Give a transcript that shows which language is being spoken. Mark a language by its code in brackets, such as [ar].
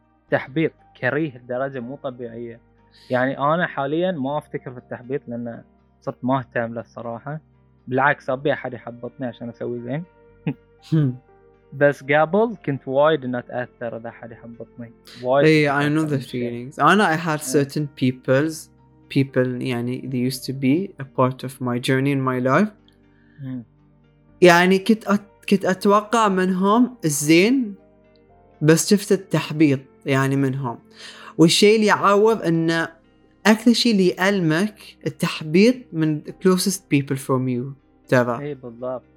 [ar] تحبيط كريه الدرجة مو طبيعية. يعني أنا حاليا ما أفتكر في التحبيط لأن صرت ما أهتم له الصراحة. بالعكس أبي أحد يحبطني عشان أسوي زين. بس قبل كنت وايد إن أتأثر إذا أحد يحبطني. [en] Hey, I know the feelings. [ar] أنا [en] I had certain people [ar] يعني [en] they used to be a part of my journey in my life. [ar] يعني كنت أتوقع منهم الزين بس شفت التحبيط يعني منهم. والشيء اللي يعوض إنه أكثر شيء اللي يألمك التحبيط من [en] closest people from you [ar] ترى. إيه بالضبط.